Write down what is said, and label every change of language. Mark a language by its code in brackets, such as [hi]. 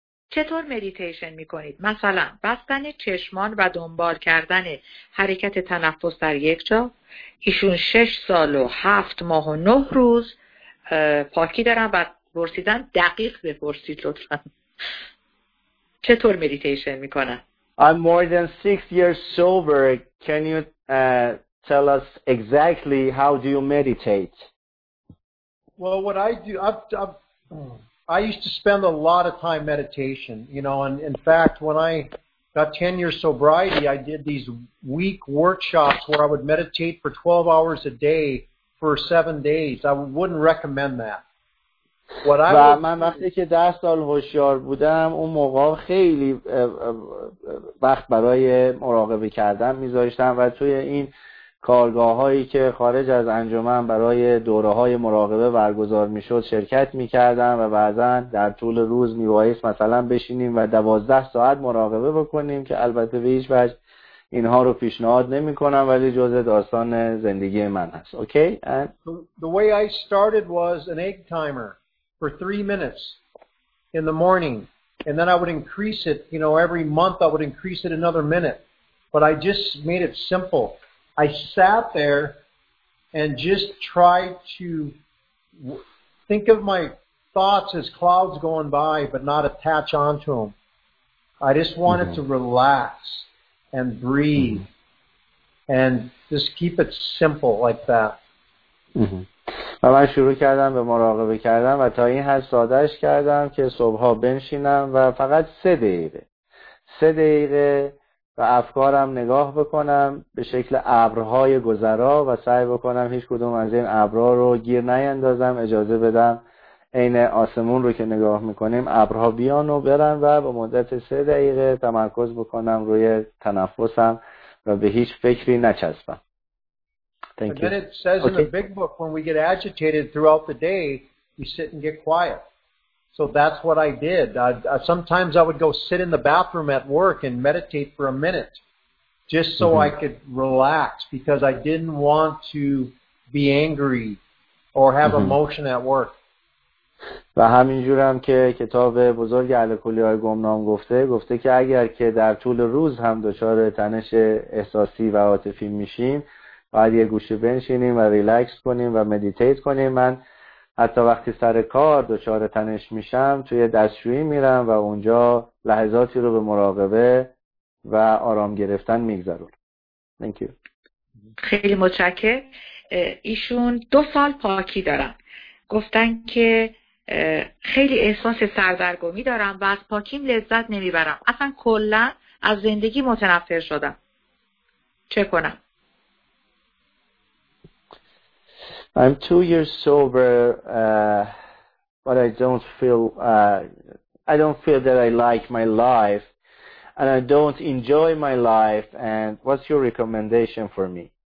[fa] چطور مدیتیشن میکنید؟ مثلا بستن چشمان و دنبال کردن حرکت تنفس در یک جا. ایشون 6 سال و 7 ماه و 9 روز پاکی دارن و پرسیدن، دقیق بپرسید لطفا، چطور مدیتیشن میکنن؟ [en] I'm more than 6 years sober. Can you tell us exactly how do you meditate? Well, what I do, I used to spend a lot of time meditation, you know, and in fact, when I got 10 years sobriety, I did these week workshops where I would meditate for 12 hours a day for 7 days. I wouldn't recommend that. [fa] و من وقتی که 10 سال هوشیار بودم اون موقع خیلی وقت برای مراقبه کردن میذاشتم و توی این کارگاه هایی که خارج از انجمن برای دوره های مراقبه برگزار میشد شرکت میکردم و بعضا در طول روز میبایست مثلا بشینیم و 12 ساعت مراقبه بکنیم، که البته به هیچ وجه اینها رو پیشنهاد نمی کنم ولی جزء داستان زندگی من هست. اوکی؟ [en] The way I started was an egg timer for 3 minutes in the morning, and then I would increase it, you know, every month I would increase it another minute, but I just made it simple. I sat there and just tried to think of my thoughts as clouds going by but not attach onto them. I just wanted mm-hmm. to relax and breathe mm-hmm. and just keep it simple like that. Mm-hmm. [fa] و من شروع کردم به مراقبه کردم و تا این حد سادهش کردم که صبحها بنشینم و فقط 3 دقیقه به افکارم نگاه بکنم به شکل ابرهای گذرا و سعی بکنم هیچ کدوم از این ابرها رو گیر نیندازم، اجازه بدم عین آسمون رو که نگاه میکنیم ابرها بیان و برن و به مدت 3 دقیقه تمرکز بکنم روی تنفسم و به هیچ فکری نچسبم. [en] And then it says in the big book, when we get agitated throughout the day, we sit and get quiet. So that's what I did. Sometimes I would go sit in the bathroom at work and meditate for a minute just so mm-hmm. I could relax, because I didn't want to be angry or have mm-hmm. emotion at work. [fa] و همینجور هم که کتاب بزرگ الکلی‌های گمنام گفته که اگر که در طول روز هم دچار تنش احساسی و عاطفی میشیم باید یه گوشه بنشینیم و ریلکس کنیم و مدیتیت کنیم. من حتی وقتی سر کار دچار تنش میشم توی دستشویی میرم و اونجا لحظاتی رو به مراقبه و آرام گرفتن میگذرونم. [en] Thank you. [fa] خیلی متشکر. ایشون 2 سال پاکی دارن. گفتن که خیلی احساس سردرگمی دارم و از پاکیم لذت نمیبرم. اصلا کلا از زندگی متنفر شدم. چه کنم؟ [en] I'm 2 years sober, but I don't feel that I like my life. and I don't enjoy my life, and what's your recommendation for me?